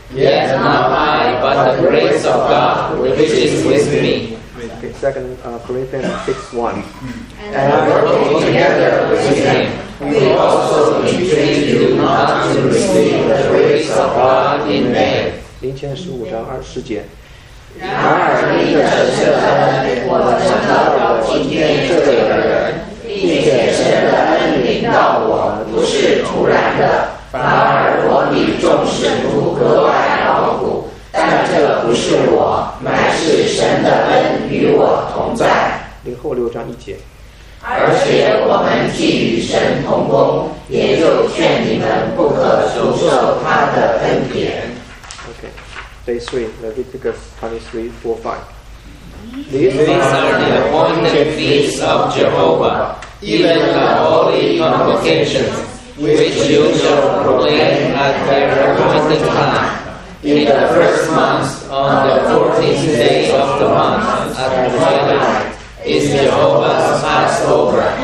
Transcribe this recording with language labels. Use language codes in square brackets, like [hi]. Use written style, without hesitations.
[en] Yet not I, but the grace of God which is with me. Okay, 2 Corinthians 6:1. And I work together with Him. We also entreat you not to receive the grace of God in vain. 15:20. [zh] 然而因着这恩，我成了我今天这个人，并且这恩临到我不是突然的，反而我比众使徒格外劳苦，但这不是我，乃是神的恩与我同在。 6:1。而且我们既与神同工，也就劝你们不可独受他的恩典。 [en] Day 3, Leviticus 23:4-5. These are the appointed feasts of Jehovah, even the holy convocations, which you shall proclaim at their appointed time, in the first month, on the 14th day of the month, at twilight, is Jehovah's Passover.